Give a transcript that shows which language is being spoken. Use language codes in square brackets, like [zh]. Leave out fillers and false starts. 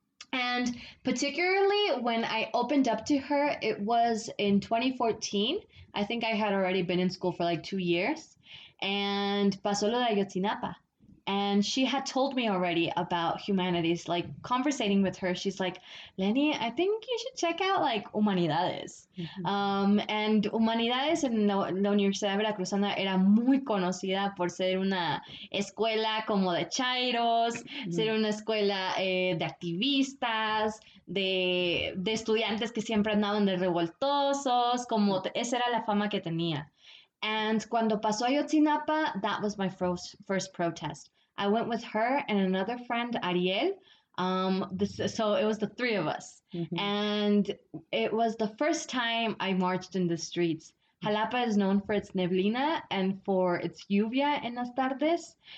[en] And particularly when I opened up to her, it was in 2014. I think I had already been in school for like 2 years. And [es] pasó lo de Ayotzinapa. [en] And she had told me already about humanities, like conversating with her. She's like, Lenny, I think you should check out like Humanidades. [es] And Humanidades en la Universidad de Veracruzana era muy conocida por ser una escuela como de chairos, ser una escuela de activistas, de estudiantes que siempre andaban de revoltosos, como esa era la fama que tenía. [en] And [es] cuando pasó Ayotzinapa, [en] that was my first protest. I went with her and another friend, Ariel. So it was the three of us. And it was the first time I marched in the streets. Jalapa is known for its neblina and for its [es] lluvia en las tardes.